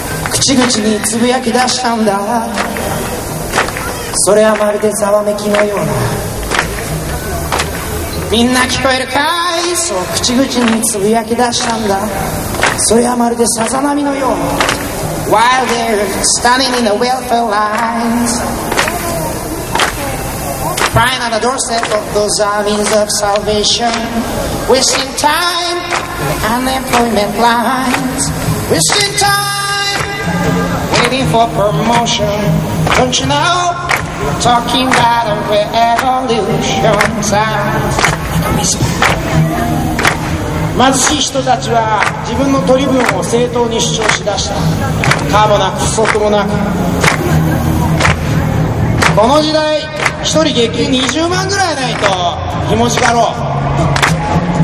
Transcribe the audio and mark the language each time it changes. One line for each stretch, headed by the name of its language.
Japanese: 口々につぶやき出したんだ。それはまるでざわめきのような。みんな聞こえるかい？そう口々につぶやき出したんだ。それはまるでさざ波のよう。
English: While they're standing in the welfare lines, crying on the doorstep of those armies of salvation, wasting time in the unemployment lines, wasting time waiting for promotion. Don't you know, talking about a revolution sounds
Japanese: ま、貧しい人たちは自分の取り分を正当に主張しだした。可もなく不足もなく。この時代一人月給20万ぐらいないとひもじかろう。